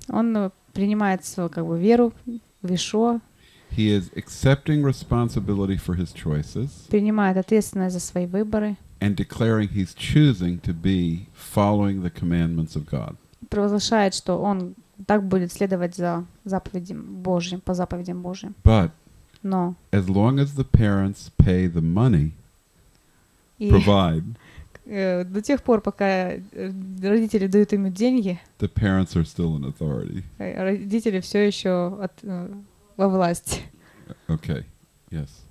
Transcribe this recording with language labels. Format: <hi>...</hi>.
<ru>Он принимает свою веру в Ишуа.</ru> <en>He is accepting responsibility for his choices.</en> <ru>Принимает ответственность за свои выборы.</ru> <en>And declaring he's choosing to be following the commandments of God.</en> <ru>Провозглашает, что он так будет следовать за заповедям Божьим, по заповедям Божьим.</ru> <en>But no. As long as the parents pay the money. Provide.</en> <ru>До тех пор, пока родители дают ему деньги.</ru> <en>The parents are still in authority.</en> <ru>Родители все еще во власти.</ru> <en>Okay. Yes.</en>